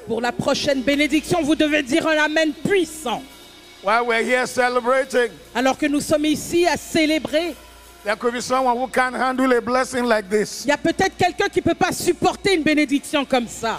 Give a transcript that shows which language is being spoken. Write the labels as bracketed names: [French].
[French] Pour la prochaine bénédiction, vous devez dire un amen puissant. [English] While we're here celebrating. [French] Alors que nous sommes ici à célébrer. [English] There could be someone who can't handle a blessing like this. [French] Il y a peut-être quelqu'un qui peut pas supporter une bénédiction comme ça.